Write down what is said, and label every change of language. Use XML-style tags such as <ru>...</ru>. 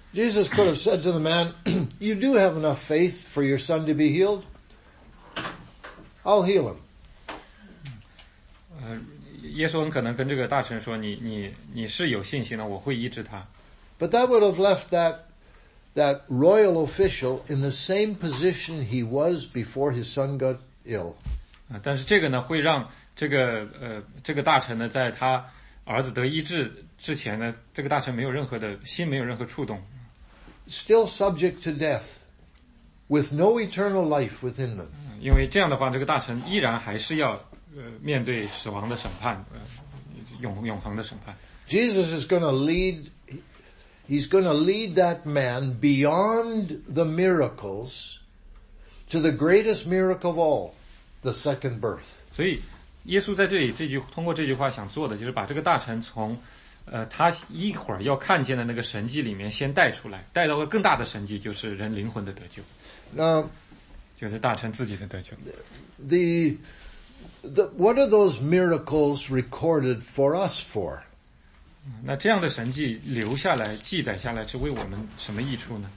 <en>Jesus could have said to the man, "You do have enough faith for your son to be healed. I'll heal him."</en> <zh>耶稣很可能跟这个大臣说，你是有信心的，我会医治他。</zh> <en>But that would have left that royal official in the same position he was before his son got ill.</en> <zh>但是这个呢会让这个大臣呢在他儿子得医治之前呢，这个大臣没有任何的心，没有任何触动。</zh> <en>Still subject to death with no eternal life within them.</en> <zh>因为这样的话，这个大臣依然还是要面对死亡的审判，永恒的审判。</zh> <en>Jesus is going to lead He's going to lead that man beyond the miracles to the greatest miracle of all, the second birth.</en> <zh>所以耶稣在这里这句通过这句话想做的，就是把这个大臣从他一会儿要看见的那个神迹里面先带出来，带到个更大的神迹，就是人灵魂的得救。那就是大臣自己的得救。</zh> <en>The what are those miracles recorded for us for?</en> <zh>那这样的神迹留下来记载下来是为我们什么益处呢？</zh>